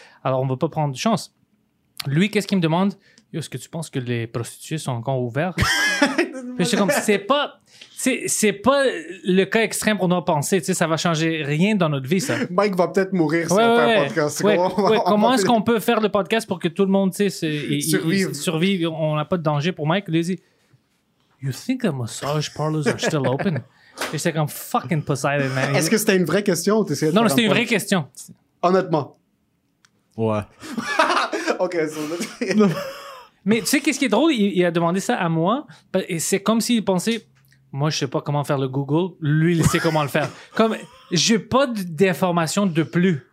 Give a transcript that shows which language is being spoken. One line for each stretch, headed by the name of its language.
French: Alors, on veut pas prendre chance. Lui, qu'est-ce qu'il me demande? Est-ce que tu penses que les prostituées sont encore ouvertes? Puis c'est comme, c'est pas le cas extrême qu'on doit penser. Tu sais, ça va changer rien dans notre vie, ça. Mike va peut-être mourir si on fait un podcast. Ouais, comment est-ce qu'on peut faire le podcast pour que tout le monde, tu sais,
English: survive?
French: On n'a pas de danger pour Mike. Lui, il dit,
English: you think the massage parlors are still open?
French: Et c'est comme,
English: fucking Poseidon, man.
French: Est-ce que c'était une vraie question ou t'essayais de... Non, c'était une vraie question. Honnêtement. Ouais.
English: OK, so...
French: Mais tu sais qu'est-ce qui est drôle? Il a demandé ça à moi et c'est comme s'il pensait, moi, je sais pas comment faire le Google. Lui, il sait comment le faire. Comme, j'ai pas d'informations de plus.